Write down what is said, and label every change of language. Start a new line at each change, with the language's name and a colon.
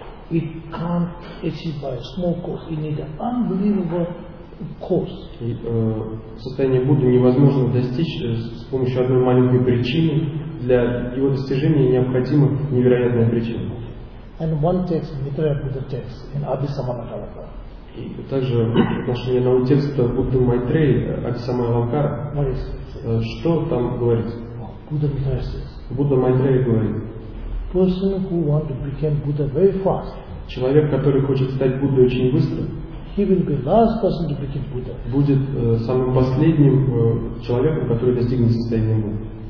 English: It can't achieve by a small course. It needs an unbelievable course.
Russian: Состояние Будды невозможно достичь с помощью одной маленькой причины. Для его достижения необходима невероятная причина.
English: And one text, Maitreya Buddha text, in Abhisamayalankara.
Russian: И также в отношении одного текста Будды Майтреи, Абхисамайалангкара.
English: What is it?
Russian: Что там говорится?
English: Buddha Maitreya says.
Russian: Будда Майтреи говорит.
English: Person who wants to become Buddha very fast.
Russian: Человек, который хочет стать Буддой очень быстро.
English: He will be last person to become Buddha.
Russian: Будет самым последним человеком, который достигнет состояния Будды.